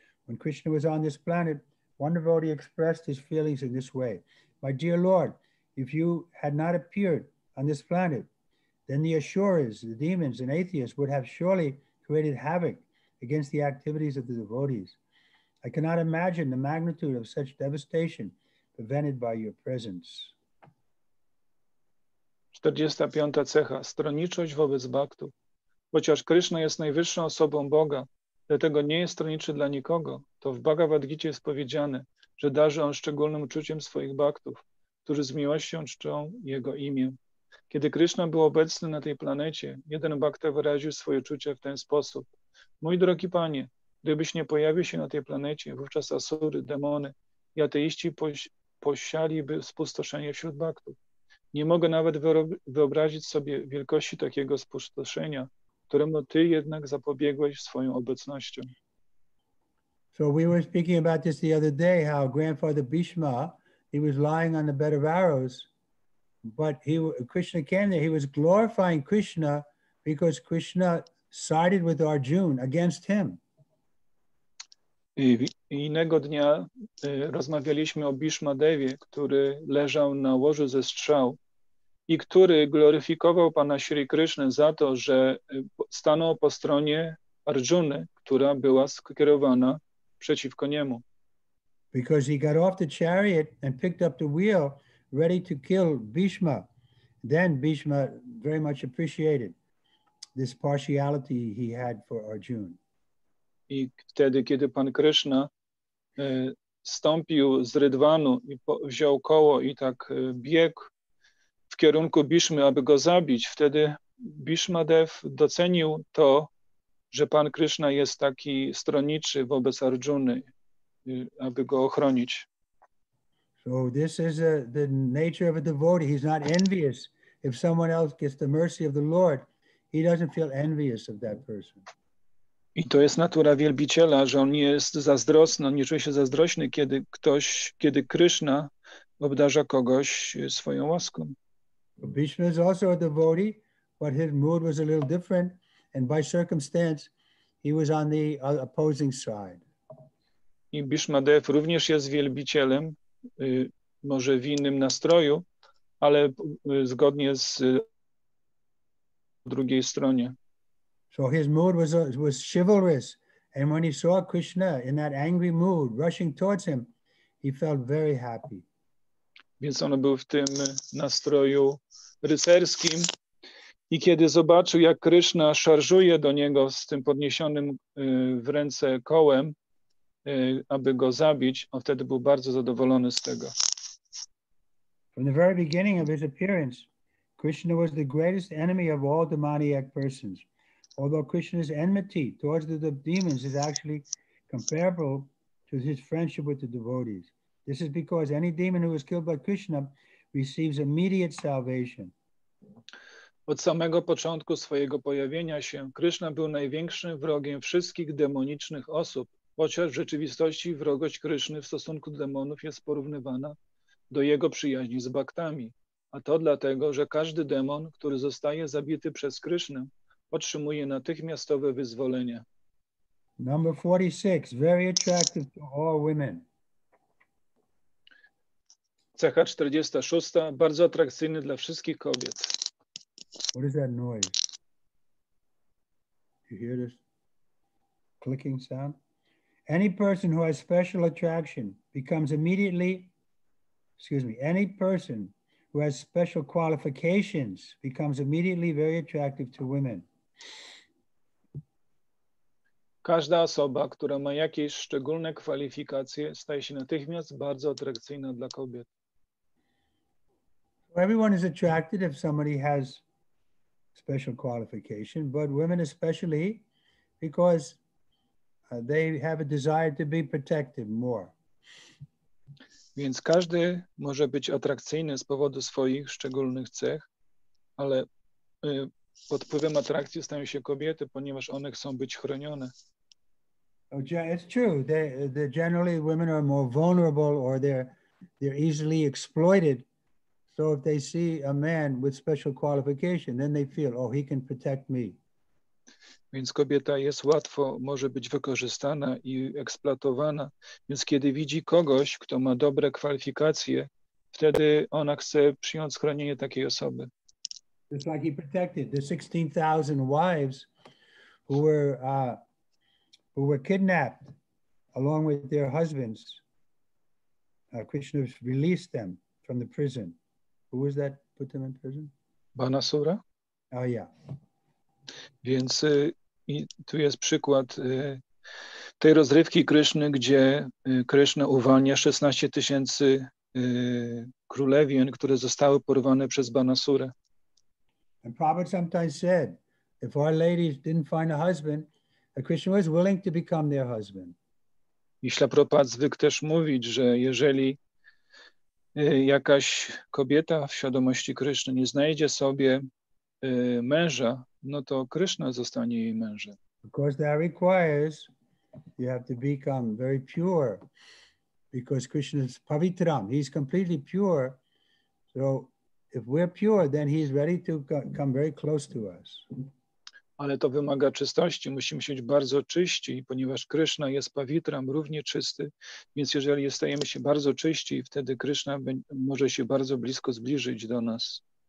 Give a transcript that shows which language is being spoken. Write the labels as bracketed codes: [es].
[en] When Krishna was on this planet, one devotee expressed his feelings in this way: "My dear Lord, if you had not appeared on this planet, then the asuras, the demons, and atheists would have surely created havoc against the activities of the devotees. I cannot imagine the magnitude of such devastation prevented by your presence." [pl] 45. cecha, stronniczość wobec bhaktów. Chociaż Kryszna jest najwyższą osobą Boga, dlatego nie jest stronniczy dla nikogo, to w Bhagavad Gita jest powiedziane, że darzy on szczególnym uczuciem swoich bhaktów, którzy z miłością czczą jego imię. Kiedy Kryszna był obecny na tej planecie, jeden bhakta wyraził swoje uczucia w ten sposób. Mój drogi panie, gdybyś nie pojawił się na tej planecie, wówczas asury, demony i ateiści posialiby spustoszenie wśród bhaktów. Nie mogę nawet wyobrazić sobie wielkości takiego spustoszenia, któremu ty jednak zapobiegłeś swoją obecnością. [en] So we were speaking about this the other day, how grandfather Bhishma, he was lying on the bed of arrows, but Krishna came there. He was glorifying Krishna because Krishna sided with Arjuna against him. [pl] I innego dnia rozmawialiśmy o Bhishma Devie, który leżał na łożu ze strzał i który gloryfikował Pana Śri Krishna za to, że stanął po stronie Arjuny, która była skierowana przeciwko niemu. [en] Because he got off the chariot and picked up the wheel ready to kill Bhishma. Then Bhishma very much appreciated this partiality he had for Arjuna. [pl] I wtedy, kiedy Pan Krishna stąpił z Rydwanu i wziął koło i tak biegł w kierunku Bhishmy, aby go zabić, wtedy Bhishma Dev docenił to, że Pan Krishna jest taki stronniczy wobec Arjuny, aby go ochronić. [en] So this is the nature of a devotee. He's not envious. If someone else gets the mercy of the Lord, he doesn't feel envious of that person. [pl] I to jest natura wielbiciela, że on nie jest zazdrosny, on nie czuje się zazdrośny, kiedy Krishna obdarza kogoś swoją łaską. [en] Bhishma is also a devotee, but his mood was a little different, and by circumstance, he was on the opposing side. [pl] I Bhishma Dev również jest wielbicielem, może w innym nastroju, ale zgodnie z drugiej stronie. [en] So his mood was chivalrous, and when he saw Krishna in that angry mood rushing towards him, he felt very happy. [pl] Więc on był w tym nastroju rycerskim i kiedy zobaczył, jak Krishna szarżuje do niego z tym podniesionym w ręce kołem, aby go zabić, on wtedy był bardzo zadowolony z tego. [en] From the very beginning of his appearance, Krishna was the greatest enemy of all demoniac persons. Although Krishna's enmity towards the demons is actually comparable to his friendship with the devotees. This is because any demon who is killed by Krishna receives immediate salvation. [pl] Od samego początku swojego pojawienia się, Krishna był największym wrogiem wszystkich demonicznych osób, chociaż w rzeczywistości wrogość Kryszny w stosunku do demonów jest porównywana do jego przyjaźni z bhaktami. A to dlatego, że każdy demon, który zostaje zabity przez Krysznę, otrzymuje natychmiastowe wyzwolenie. [en] Number 46, very attractive to all women. [pl] Cecha 46, bardzo atrakcyjny dla wszystkich kobiet. [en] What is that noise? You hear this clicking sound? Any person who has special attraction becomes immediately, excuse me, any person who has special qualifications becomes immediately very attractive to women. [pl] Każda osoba, która ma jakieś szczególne kwalifikacje, staje się natychmiast bardzo atrakcyjna dla kobiet. [en] Everyone is attracted if somebody has special qualification, but women especially because they have a desire to be protected more. [pl] Więc każdy może być atrakcyjny z powodu swoich szczególnych cech, ale pod wpływem atrakcji stają się kobiety, ponieważ one chcą być chronione. [en] It's true. They generally women are more vulnerable or they're easily exploited. So if they see a man with special qualification, then they feel, oh, he can protect me. [pl] Więc kobieta jest łatwo, może być wykorzystana i eksploatowana. Więc kiedy widzi kogoś, kto ma dobre kwalifikacje, wtedy ona chce przyjąć chronienie takiej osoby. [en] Just like he protected the 16,000 wives who were kidnapped along with their husbands. Krishna released them from the prison. Who was that put them in prison? Banasura? Oh, yeah. [pl] Więc i tu jest przykład tej rozrywki Kryszny, gdzie Kryszna uwalnia 16 tysięcy królewien, które zostały porwane przez Banasurę. [en] And Prabhupada sometimes said, if our ladies didn't find a husband, that Krishna was willing to become their husband. [pl] I Śla Prabhupada zwykł też mówić, że jeżeli jakaś kobieta w świadomości Kryszny nie znajdzie sobie męża, no to Kryszna zostanie jej mężem. [en] Because that requires you have to become very pure, because Krishna is pavitram, he's completely pure. So if we're pure, then he's ready to come very close to us. [pl] Ale to wymaga czystości. Musimy się być bardzo czyści, ponieważ Krishna jest pavitram, równie czysty. Więc jeżeli stajemy się bardzo czyści, wtedy Krishna może się bardzo blisko zbliżyć do nas.